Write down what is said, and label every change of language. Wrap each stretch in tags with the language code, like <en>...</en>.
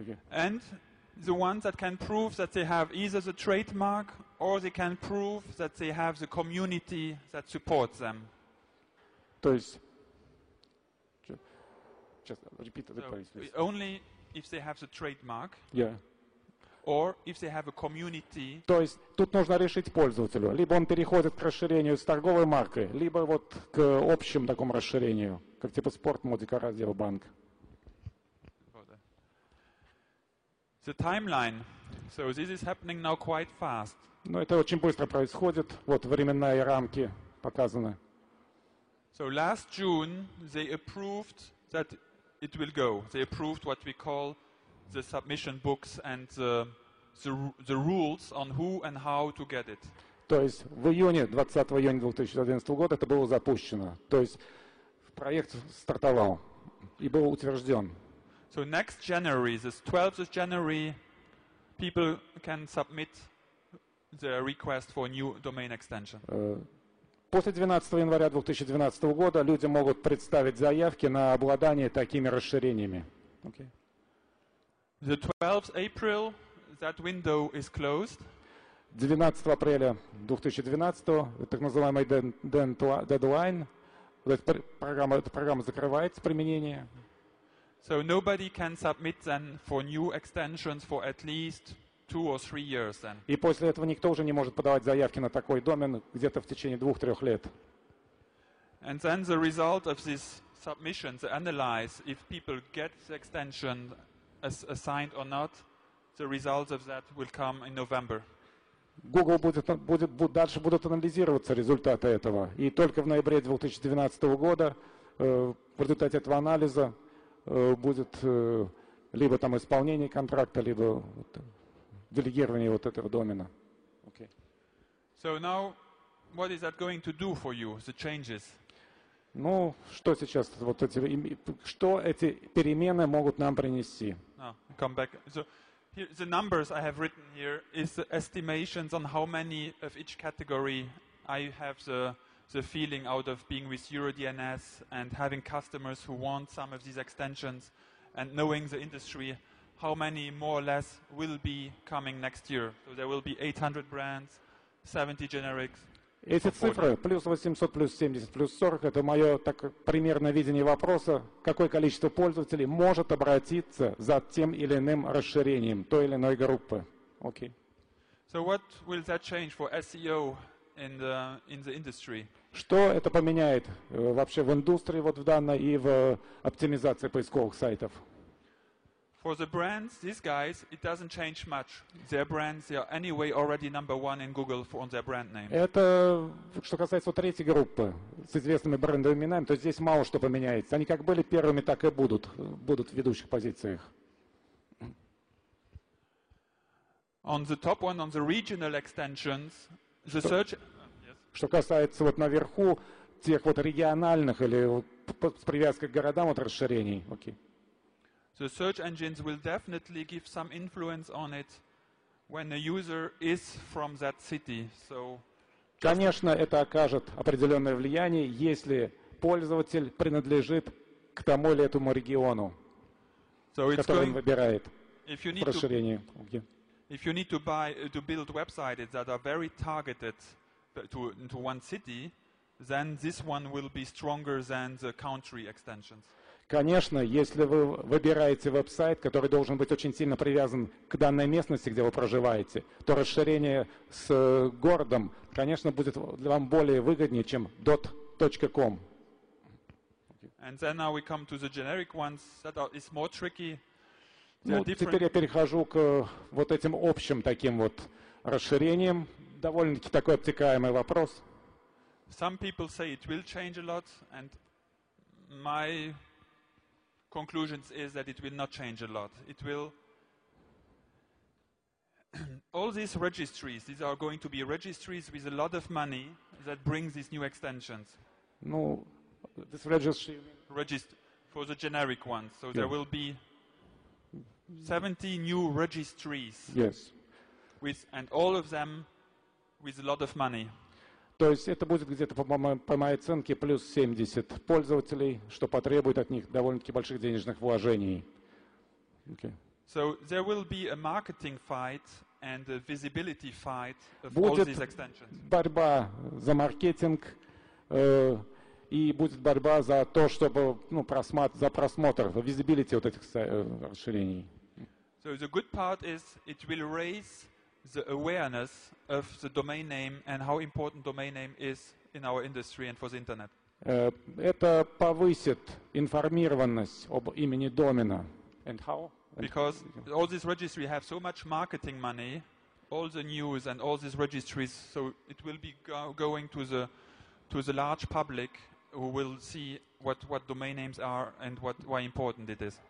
<en>And the ones that can prove that they have either the trademark or they can prove that they have the community that supports them.</en> <ru>То есть,</ru> <en>just repeat the point, please. Only if they have the trademark. Yeah. Or if they have a community.</en> <ru>То есть тут нужно решить пользователю. Либо он переходит к расширению с торговой маркой, либо вот к общему такому расширению, как типа спорт, модика, раздел, банк.</ru> <en>The timeline. So this is happening now quite fast.</en> <ru>Но это очень быстро происходит. Вот временные рамки показаны.</ru> <en>So last June they approved that it will go. They approved what we call the submission books and the rules on who and how to get it.</en> <ru>То есть в июне, 20 июня 2011 года это было запущено. То есть проект стартовал и был утвержден.</ru> <en>So next January, this 12th of January, people can submit their request for a new domain extension.</en> <ru>После 12 января 2012 года люди могут представить заявки на обладание такими расширениями.</ru> <en>Okay. The 12th April, that window is closed.</en> <ru>12 апреля 2012, так называемый deadline, эта программа закрывается, применение.</ru> <en>So nobody can submit then for new extensions for at least 2 or 3 years then.</en> <ru>И после этого никто уже не может подавать заявки на такой домен где-то в течение 2-3 лет.</ru> <en>And then the result of this submission, the analyze, if people get the extension assigned or not, the results of that will come in November.</en> <ru>Google будет дальше будут анализироваться результаты этого, и только в ноябре 2012 года в результате этого анализа будет либо там исполнение контракта, либо вот, делегирование вот этого домена.</ru> <en>Okay. So now, what is that going to do for you? The changes.</en> <ru>Ну, что сейчас вот эти, что эти перемены могут нам принести?</ru> <en>Come back. So here, the numbers I have written here is the estimations on how many of each category I have the feeling out of being with EuroDNS and having customers who want some of these extensions and knowing the industry, how many more or less will be coming next year. So there will be 800 brands, 70 generics.</en> <ru>Эти цифры, плюс 800, плюс 70, плюс 40, это мое так примерное видение вопроса, какое количество пользователей может обратиться за тем или иным расширением той или иной группы.</ru> <en>Okay. So what will that change for SEO in the industry?</en> <ru>Что это поменяет вообще в индустрии вот в данной и в оптимизации поисковых сайтов?</ru> <en>For the brands, these guys, it doesn't change much. Their brands, they are anyway already number one in Google for on their brand name.</en> <ru>Это что касается вот третьей группы с известными брендовыми именами, то здесь мало что поменяется. Они как были первыми, так и будут в ведущих позициях.</ru> <en>On the top one, on the regional extensions, the search.</en> <ru>Что касается вот наверху тех вот региональных или с привязкой к городам вот расширений, окей.</ru> <en>The search engines will definitely give some influence on it when a user is from that city. So,</en> <ru>конечно, это окажет определенное влияние, если пользователь принадлежит к тому или этому региону, который он выбирает в расширении.</ru> <en>If you need to build websites that are very targeted, to one city, then this one will be stronger than the country extensions.</en> <ru>Конечно, если вы выбираете веб-сайт, который должен быть очень сильно привязан к данной местности, где вы проживаете, то расширение с городом, конечно, будет для вам более выгоднее, чем .com.</ru> <en>And then now we come to the generic ones. That is more tricky.</en> <ru>Ну, теперь я перехожу к вот этим общим таким вот расширениям. Довольно-таки такой обтекаемый вопрос.</ru> <en>Some people say it will change a lot, and my conclusion is that it will not change a lot. It will... All these registries, these are going to be registries with a lot of money that bring these new extensions. Ну, this registry... For the generic ones. So yeah. There will be 70 new registries. Yes. And all of them with a lot of money.</en> <ru>То есть это будет где-то, по моей оценке, плюс 70 пользователей, что потребует от них довольно-таки больших денежных вложений.</ru> <en>Okay. So there will be a marketing fight and a visibility fight of</en> <ru>будет</ru> <en>all these extensions.</en> <ru>Борьба за маркетинг и будет борьба за то, чтобы, ну, за просмотр, visibility вот этих расширений.</ru> <en>So the good part is it will raise the awareness of the domain name and how important domain name is in our industry and for the internet.</en> <ru>Это повысит информированность об имени домена.</ru> <en>And how? Because all these registries have so much marketing money, all the news and all these registries, so it will be going to the large public who will see what domain names are and why important it is.</en>